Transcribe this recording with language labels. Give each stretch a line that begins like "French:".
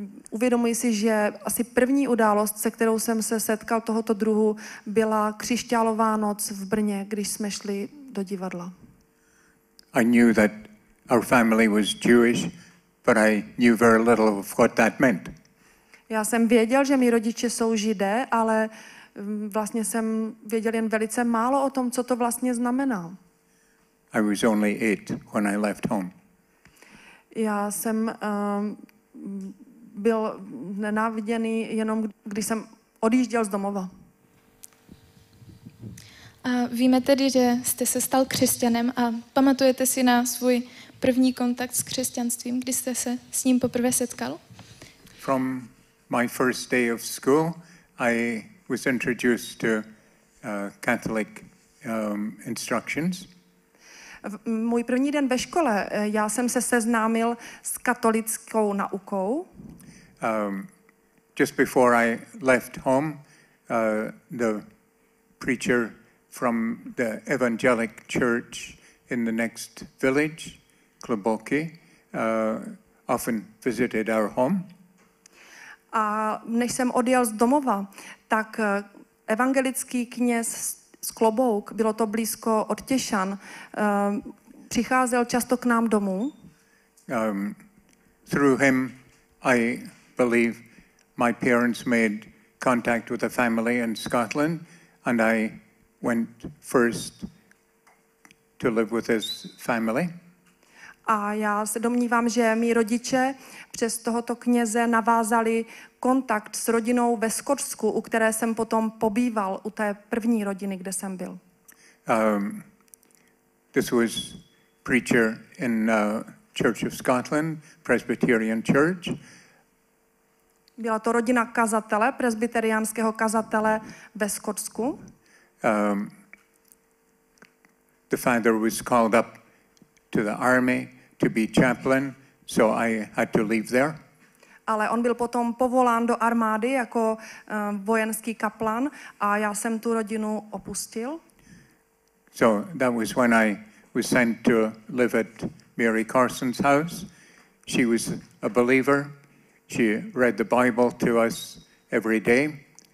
Czech: Uvědomuji si, že asi první událost, se kterou jsem se setkal tohoto druhu, byla Křišťálová noc v Brně, když jsme šli do divadla.
English: I knew that our family was Jewish, but I knew very little of what that meant.
Czech: Já jsem věděl, že mí rodiče jsou Židé, ale vlastně jsem věděl jen velice málo o tom, co to vlastně znamená.
English: I was only 8 when I left home.
Czech: Já jsem byl nenáviděný jenom, když jsem odjížděl z domova. A víme tedy, že jste se stal křesťanem a pamatujete si na svůj první kontakt s křesťanstvím, kdy jste se s ním poprvé setkal?
English: From my first day of school, I was introduced to Catholic instructions.
Czech: Můj první den ve škole, já jsem se seznámil s katolickou naukou.
English: Just before I left home, the preacher from the evangelic church in the next village, Kluboky, often visited our home.
Czech: A než jsem odjel z domova, tak evangelický kněz z Klobouk, bylo to blízko od Těšan, přicházel často k nám domů.
English: Through him, I believe, my parents made contact with a family in Scotland, and I went first to live with his family.
Czech: A já se domnívám, že mí rodiče přes tohoto kněze navázali kontakt s rodinou ve Skotsku, u které jsem potom pobýval, u té první rodiny, kde jsem byl.
English: This was preacher in Church of Scotland, Presbyterian Church.
Czech: Byla to rodina kazatele, presbyteriánského kazatele ve Skotsku.
English: The father was called up to the army to be chaplain, so I had to leave there.
Czech: Ale on byl potom povolán do armády jako vojenský kaplan a já jsem tu rodinu opustil.
English: So that was when I was sent to live at Mary Carson's house. She was a believer. She read the Bible to us every day.